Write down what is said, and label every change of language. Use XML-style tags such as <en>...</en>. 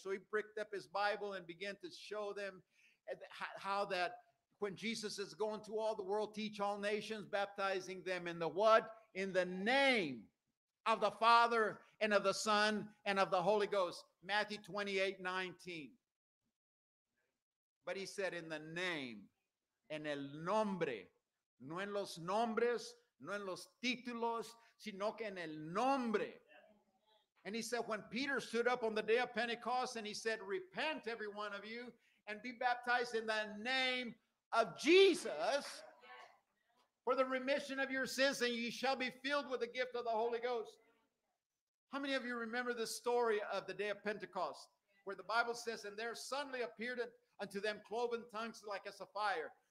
<en>So he picked up his Bible and began to show them how that when Jesus is going to all the world, teach all nations, baptizing them in the what? In the name of the Father and of the Son and of the Holy Ghost. Matthew 28:19. But he said, in the name,</en> <es>en el nombre, no en los nombres, no en los títulos, sino que en el nombre.</es> <en>And he said, when Peter stood up on the day of Pentecost and he said, repent every one of you and be baptized in the name of Jesus for the remission of your sins, and ye shall be filled with the gift of the Holy Ghost. How many of you remember the story of the day of Pentecost, where the Bible says, and there suddenly appeared unto them cloven tongues like as a fire?</en>